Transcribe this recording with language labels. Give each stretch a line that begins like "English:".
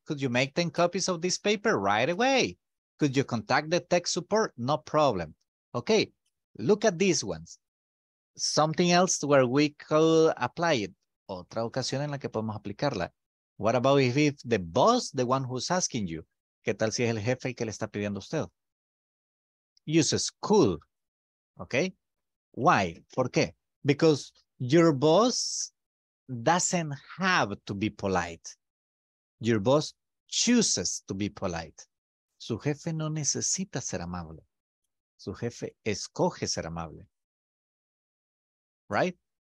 English: Could you make 10 copies of this paper right away? Could you contact the tech support? No problem. Okay, look at these ones. Something else where we could apply it.
Spanish: Otra ocasión en la que podemos aplicarla.
English: What about if the boss, the one who's asking you?
Spanish: ¿Qué tal si es el jefe el que le está pidiendo a usted?
English: Uses could. Okay. Why?
Spanish: ¿Por qué?
English: Because your boss doesn't have to be polite. Your boss chooses to be polite.
Spanish: Su jefe no necesita ser amable. Su jefe escoge ser amable. Right?